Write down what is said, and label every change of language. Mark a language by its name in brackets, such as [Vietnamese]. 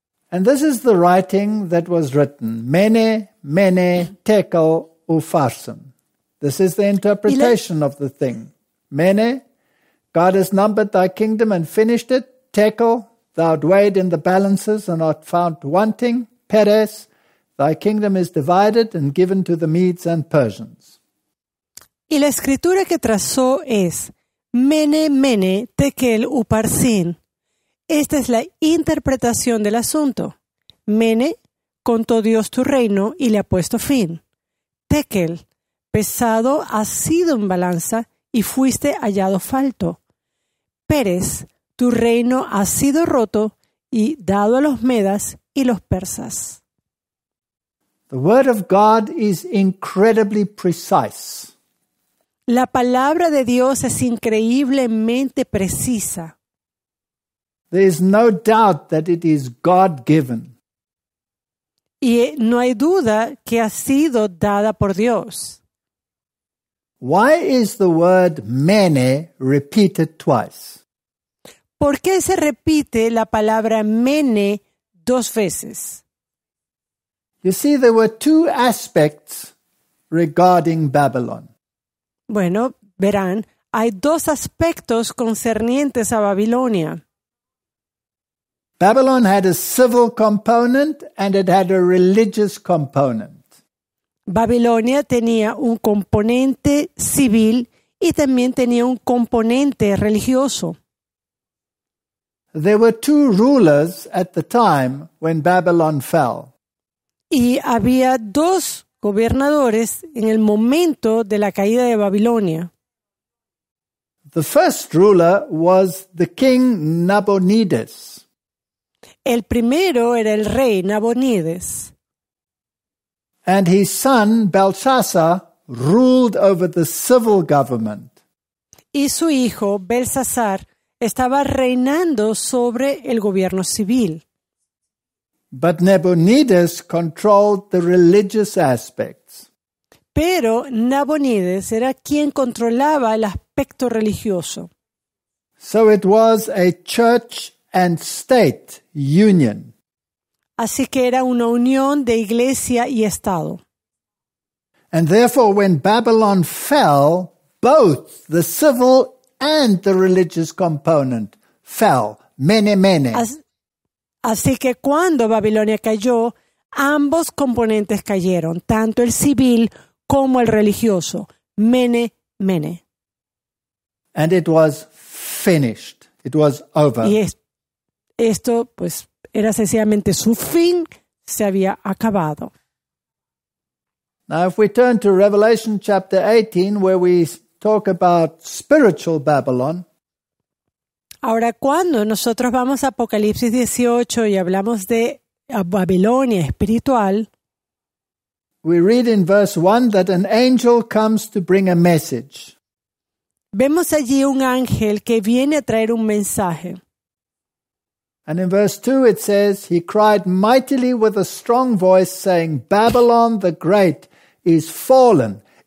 [English] And this is the writing that was written. Mene, mene, tekel, upharsin. This is the interpretation of the thing. Mene, God has numbered thy kingdom and finished it. Tekel, thou art weighed in the balances and art found wanting. Peres, thy kingdom is divided and given to the Medes and Persians. [Spanish] Y la escritura que trazó es Mene, mene, tekel, upharsin. Esta es la interpretación del asunto. Mene, contó Dios tu reino y le ha puesto fin. Tekel, pesado has sido en balanza y fuiste hallado falto. Peres, tu reino ha sido roto y dado a los medas y los persas. [English] The word of God is incredibly precise. [Spanish] La palabra de Dios es increíblemente precisa. [English] There is no doubt that it is God-given. [Spanish] Y no hay duda que ha sido dada por Dios. [English] Why is the word mene repeated twice? [Spanish] ¿Por qué se repite la palabra mene dos veces? [English] You see, there were two aspects regarding Babylon. [Spanish] Bueno, verán, hay dos aspectos concernientes a Babilonia. [English] Babylon had a civil component and it had a religious component. [Spanish] Babilonia tenía un componente civil y también tenía un componente religioso. [English] There were two rulers at the time when Babylon fell. [Spanish] Y había dos gobernadores en el momento de la caída de Babilonia. [English] The first ruler was the king Nabonides. [Spanish] El primero era el rey Nabonides. [English] And his son Belshazzar ruled over the civil government. [Spanish] Y su hijo Belshazzar estaba reinando sobre el gobierno civil. [English] But Nabonides controlled the religious aspects. [Spanish] Pero Nabonides era quien controlaba el aspecto religioso. [English] So it was a church and state union. [Spanish] Así que era una unión de iglesia y estado. [English] And therefore, when Babylon fell, both the civil and the religious component fell. Mene, mene. [Spanish] Así que cuando Babilonia cayó, ambos componentes cayeron, tanto el civil como el religioso. Mene, mene. [English] And it was finished. It was over. [Spanish] Y esto, pues, era sencillamente su fin, se había acabado. [English] Now, if we turn to Revelation chapter 18, where we talk about spiritual Babylon. [Spanish] Ahora, cuando nosotros vamos a Apocalipsis 18 y hablamos de Babilonia espiritual, [English] we read in verse 1 that an angel comes to bring a message. [Spanish] Vemos allí un ángel que viene a traer un mensaje. [English] And in verse 2 it says, he cried mightily with a strong voice, saying, Babylon the great is fallen.